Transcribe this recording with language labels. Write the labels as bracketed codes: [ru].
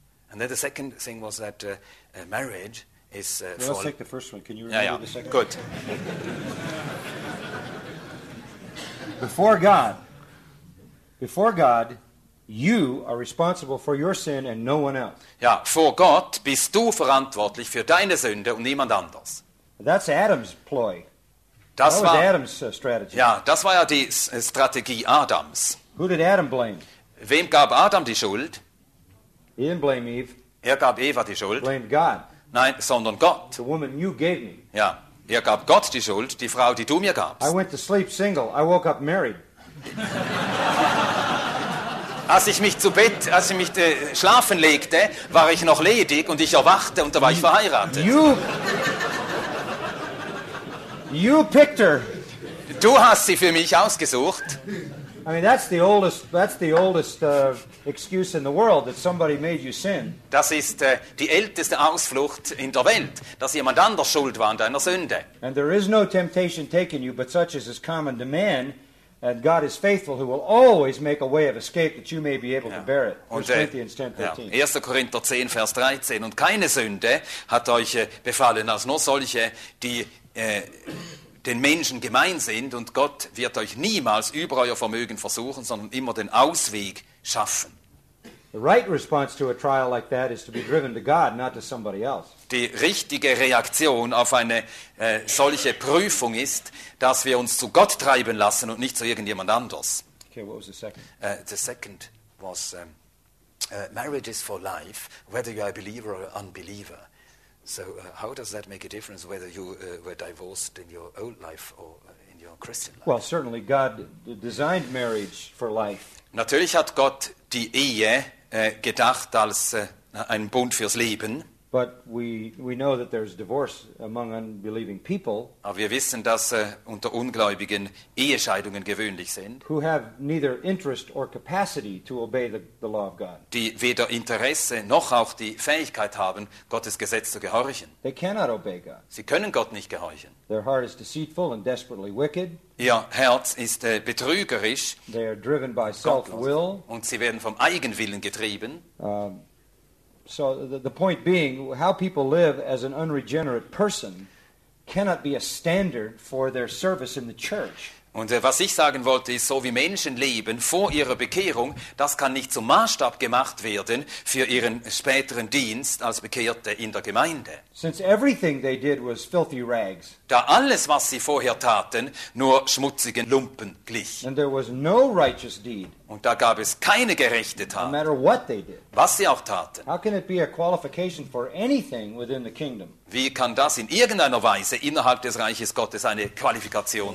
[en] And then the second thing was that marriage is... let's take the first one. Can you remember the second one? Good. Before God, you are responsible for your sin and no one else. [de] Ja, vor Gott bist du verantwortlich für deine Sünde und niemand anders. [en] That's Adam's ploy. Adam's strategy. [de] Ja, das war ja die Strategie Adams. [en] Who did Adam blame? [de] Wem gab Adam die Schuld? [en] He didn't blame Eve. [de] Er gab Eva die Schuld. [en] Blamed God. [de] Nein, sondern Gott. [en] The woman you gave me. [de] Ja, er gab Gott die Schuld, die Frau, die du mir gabst. [en] I went to sleep single. I woke up married. [de] Als ich mich schlafen legte, war ich noch ledig und ich erwachte und da war ich verheiratet. [en] You picked her. [de] Du hast sie für mich ausgesucht. [en] I mean, that's the oldest excuse in the world, that somebody made you sin. [de] Das ist die älteste Ausflucht in der Welt, dass jemand anders schuld war an deiner Sünde. [en] And there is no temptation taking you, but such as is common to man. And God is faithful, who will always make a way of escape that you may be able to bear it. 1 Corinthians 10:13. [de] 1. Korinther 10, Vers 13. Und keine Sünde hat euch befallen, als nur solche, die den Menschen gemein sind. Und Gott wird euch niemals über euer Vermögen versuchen, sondern immer den Ausweg schaffen. [en] The right response to a trial like that is to be driven to God, not to somebody else. [de] Die richtige Reaktion auf eine solche Prüfung ist, dass wir uns zu Gott treiben lassen und nicht zu irgendjemand anders. [en] Okay, what was the second? The second was marriage is for life, whether you are a believer or an unbeliever. So how does that make a difference whether you were divorced in your old life or in your Christian life? Well, certainly God designed marriage for life. [de] Natürlich hat Gott die Ehe gedacht als ein Bund fürs Leben. [en] But we know that there's divorce among unbelieving people. [de] Aber wir wissen, dass unter Ungläubigen Ehescheidungen gewöhnlich sind. [en] Who have neither interest or capacity to obey the law of God. [de] Die weder Interesse noch auch die Fähigkeit haben, Gottes Gesetz zu gehorchen. [en] They cannot obey God. [de] Sie können Gott nicht gehorchen. [en] Their heart is deceitful and desperately wicked. [de] Ihr Herz ist betrügerisch. [en] They are driven by self-will. [de] Und sie werden vom Eigenwillen getrieben. [en] So the point being, how people live as an unregenerate person cannot be a standard for their service in the church. [de] Und was ich sagen wollte, ist, so wie Menschen leben vor ihrer Bekehrung, das kann nicht zum Maßstab gemacht werden für ihren späteren Dienst als Bekehrte in der Gemeinde. [en] Since everything they did was filthy rags. [de] Da alles, was sie vorher taten, nur schmutzigen Lumpen glich. [en] And there was no righteous deed. [de] Und da gab es keine gerechte Tat, [en] no matter what they did. [de] Was sie auch taten. [en] How can it be a qualification for anything within the kingdom? [de] Wie kann das in irgendeiner Weise innerhalb des Reiches Gottes eine Qualifikation